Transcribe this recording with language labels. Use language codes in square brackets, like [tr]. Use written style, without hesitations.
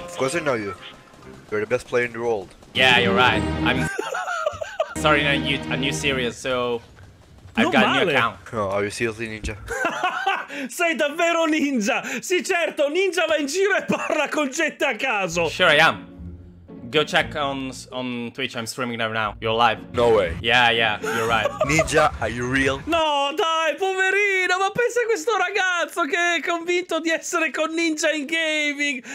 [en] Of course I know you. You're the best player in the world. Yeah, you're right. I'm starting a new series, so I've got male. A new account. No, are you seriously Ninja? [it] Sei davvero Ninja? Sì, certo, Ninja va in giro e parla con gente a caso. [en] Sure I am. Go check on Twitch, I'm streaming right now. You're live. No way. Yeah, you're right. Ninja, are you real? [it] No, dai, poverino, ma pensa a questo ragazzo che è convinto di essere con Ninja in gaming.